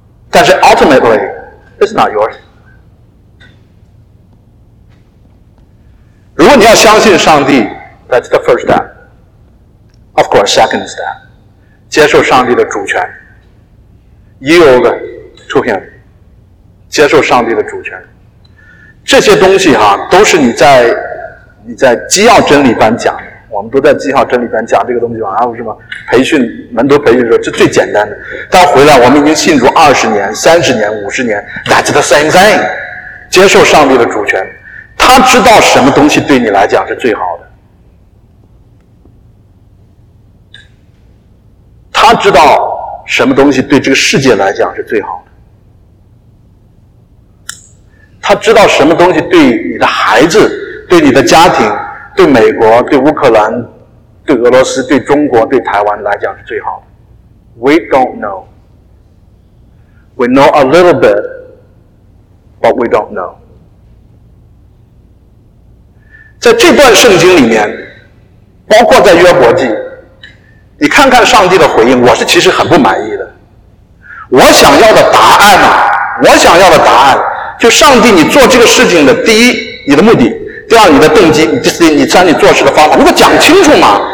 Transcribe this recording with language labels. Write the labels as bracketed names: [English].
[Chinese] 但是 [English] ultimately it's not yours。 [Chinese] 如果你要相信上帝， [English] that's the first step。 Of course second step， [Chinese] 接受上帝的主权， [English] yield to him， [Chinese] 接受上帝的主权。这些东西哈，都是你在基要真理班讲，我们都在记号真理班讲这个东西吧，然后什么培训门徒培训的时候，这最简单的。但回来我们已经信主20年、30年、50年 [English] That's the same thing， [Chinese] 接受上帝的主权，他知道什么东西对你来讲是最好的，他知道什么东西对这个世界来讲是最好的，他知道什么东西对你的孩子、对你的家庭、对美国、对乌克兰、对俄罗斯、对中国、对台湾来讲是最好的。 [English] We don't know. We know a little bit, but we don't know. [Chinese] 在这段圣经里面，包括在约伯记，你看看上帝的回应，我是其实很不满意的。我想要的答案啊，我想要的答案，就上帝，你做这个事情的第一，你的目的，第二，你的动机，你做事的方法，你给我讲清楚嘛！